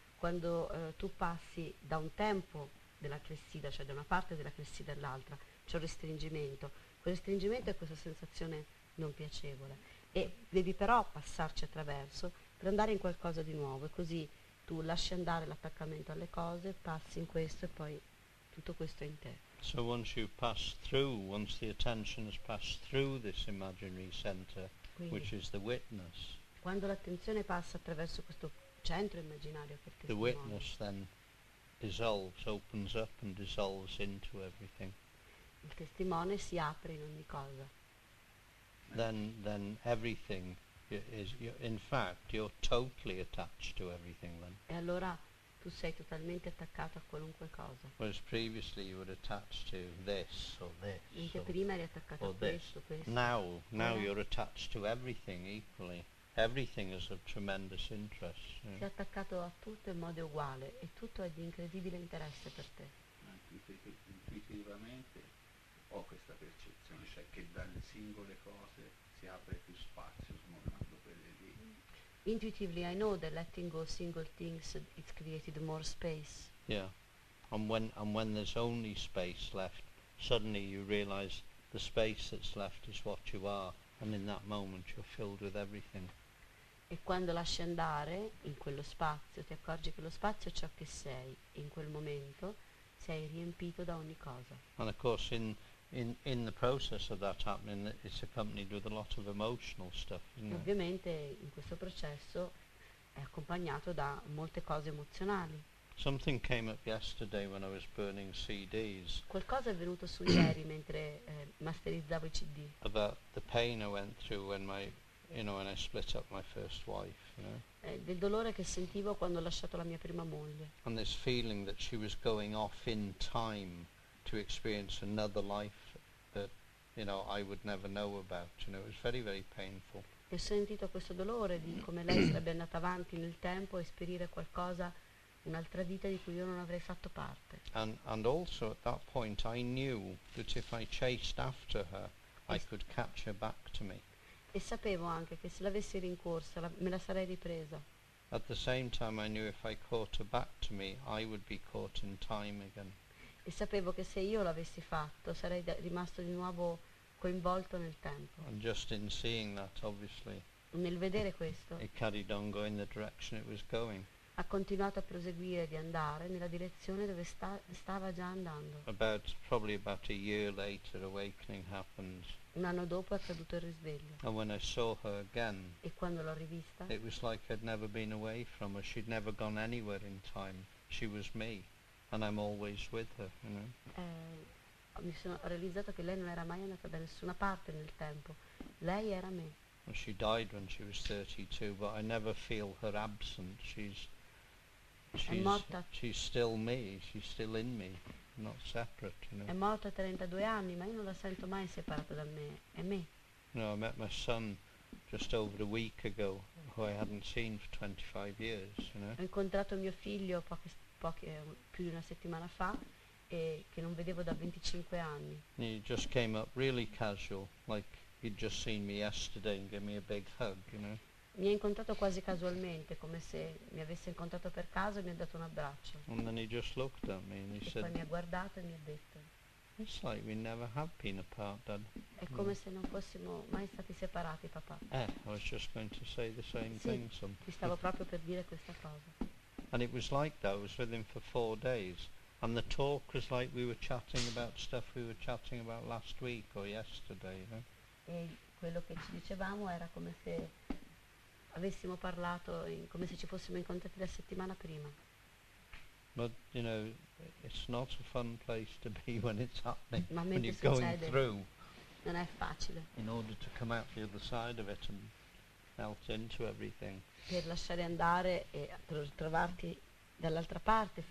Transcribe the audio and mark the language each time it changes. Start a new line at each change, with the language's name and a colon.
Italian: Quando tu passi da un tempo della clessidra, cioè da una parte della clessidra all'altra, c'è un restringimento. Il restringimento è questa sensazione non piacevole e devi però passarci attraverso per andare in qualcosa di nuovo e così tu lasci andare l'attaccamento alle cose, passi in questo e poi tutto questo è in te.
English: So once you pass through, once the attention has passed through this imaginary center,
Italian: quindi,
English: which is the witness.
Italian: Quando l'attenzione passa attraverso questo centro immaginario che
English: the witness then dissolves, opens up and dissolves into everything.
Italian: Il testimone si apre in ogni cosa.
English: Then everything is in fact you're totally attached to everything then.
Italian: E allora tu sei totalmente attaccato a qualunque cosa.
English: Whereas previously you were attached to this or this.
Italian: Mentre prima eri attaccato a questo, questo.
English: Now you're attached to everything equally. Everything is of tremendous interest.
Italian: Sei attaccato a tutto in modo uguale e tutto è di incredibile interesse per te. Intuitivamente. Ho questa percezione, cioè che dalle singole cose si apre più spazio smollando quelle lì.
English: Intuitively I know that letting go single things it's created more space. Yeah. And when there's only space left, suddenly you realize the space that's left is what you are, and in that moment you're filled with everything.
Italian: E quando lasci andare in quello spazio ti accorgi che lo spazio è ciò che sei, in quel momento sei riempito da ogni cosa.
English: And of course in the process of that happening it's accompanied with a lot of emotional stuff, isn't it?
Italian: Ovviamente in questo processo è accompagnato da molte cose emozionali.
English: Something came up yesterday when I was burning CDs.
Italian: Qualcosa è venuto su ieri mentre masterizzavo i CD.
English: About the pain I went through when my when I split up my first wife,
Italian: Del dolore che sentivo quando ho lasciato la mia prima moglie.
English: And this feeling that she was going off in time to experience another life that I would never know about. You know, it was very, very painful.
Italian: E ho sentito questo dolore di come lei sarebbe andata avanti nel tempo a esperire qualcosa un'altra vita di cui io non avrei fatto parte.
English: And also at that point I knew that if I chased after her I could catch her back to me.
Italian: E sapevo anche che se l'avessi rincorsa me la sarei ripresa.
English: At the same time I knew if I caught her back to me I would be caught in time again.
Italian: E sapevo che se io l'avessi fatto sarei rimasto di nuovo coinvolto nel tempo.
English: And just in seeing that, obviously,
Italian: nel vedere questo,
English: it carried on going the direction it was going.
Italian: Ha continuato a proseguire di andare nella direzione dove stava già andando.
English: About a year later, awakening happened.
Italian: Un anno dopo è accaduto il risveglio.
English: And when I saw her again,
Italian: e quando l'ho rivista,
English: it was like I'd never been away from her. She'd never gone anywhere in time. She was me, and I'm always with her. You know.
Italian: Mi sono realizzato che lei non era mai andata da nessuna parte nel tempo. Lei era me.
English: She died when she was 32, but I never feel her absence. She's still me, she's still in me, not separate, you know.
Italian: È morta a 32 anni, ma io non la sento mai separata da me, è me.
English: No, I met my son just over a week ago, who I hadn't seen for 25 years, you know.
Italian: Ho incontrato mio figlio più di una settimana fa, e che non vedevo da 25 anni.
English: He just came up really casual, like he'd just seen me yesterday and gave me a big hug, you know.
Italian: Mi ha incontrato quasi casualmente, come se mi avesse incontrato per caso e mi ha dato un abbraccio.
English: And then he just looked at me and he said,
Italian: poi mi ha guardato e mi ha detto,
English: it's like we never have been apart, Dad.
Italian: È come se non fossimo mai stati separati, papà.
English: I was just going to say the same thing.
Italian: Ti stavo proprio per dire questa cosa.
English: And it was like that, I was with him for 4 days. And the talk was like we were chatting about stuff we were chatting about last week or yesterday, you know?
Italian: E quello che ci dicevamo era come se avessimo parlato, come se ci fossimo incontrati la settimana prima.
English: But, you know, it's not a fun place to be when it's happening,
Italian: ma
English: when you're going through.
Italian: Non è facile.
English: In order to come out the other side of it and melt into everything.
Italian: Per lasciare andare e trovarti dall'altra parte.